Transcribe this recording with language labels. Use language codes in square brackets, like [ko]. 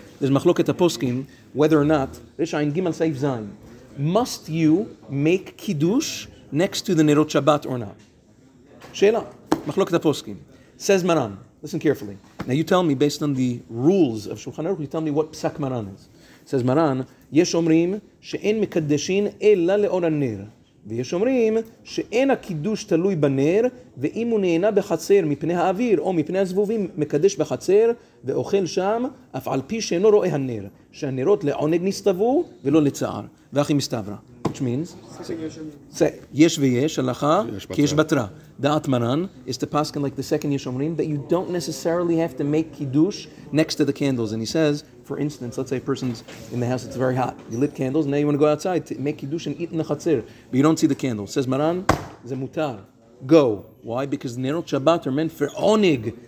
[en] There's Machloket Aposkim, whether or not, Resh Ayin Gimal Saif Zayin. Must you make Kiddush next to the Nerot Shabbat or not? Sheila, Machloket Aposkim. Says Maran, listen carefully. Now you tell me, based on the rules of Shulchan Aruch, you tell me what Psak Maran is. Says Maran, [he] Yesh Omrim, She'en Mekadeshin Ela Le'or HaNer. ויש אומרים שאין הקידוש תלוי בנר, ואם הוא נהנה בחצר מפני האוויר או מפני הזבובים, מקדש בחצר ואוכל שם, אף על פי שאינו רואה הנר, שהנרות לעונג נסתוו ולא לצער. ואחי מסתברה. [en] Which means, [he] יש ויש, הלכה, כי יש בתרה. [en] דעת מרן is to pass in like the second יש אומרים, that you don't necessarily have to make קידוש next to the candles. And he says, for instance, let's say a person's in the house, it's very hot. You lit candles, now you want to go outside to make kiddush and eat in the chatzir. But you don't see the candle. Says Maran, ze mutar. Go. Why? Because Nerot Shabbat are meant for onig.